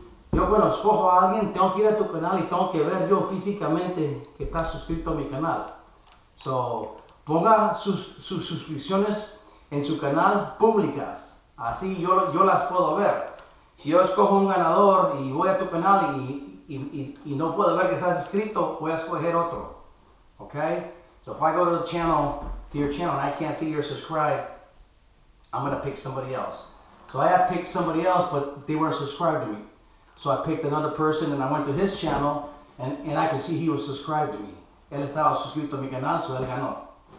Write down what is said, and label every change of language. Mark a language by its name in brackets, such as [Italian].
[Spanish] Yo, bueno, escojo a alguien, tengo que ir a tu canal y tengo que ver yo físicamente que estás suscrito a mi canal. So, ponga sus suscripciones en su canal públicas. Así yo las puedo ver. Si yo escojo un ganador y voy a tu canal y no puedo ver que estás suscrito, voy a escoger otro. Ok? [English] So, if I go to the channel, to your channel, and I can't see you're subscribed, I'm going to pick somebody else. So, I have picked somebody else, but they weren't subscribed to me. So I picked another person and I went to his channel And I could see he was subscribed to me. [Spanish] Él estaba suscrito a mi canal, so él ganó.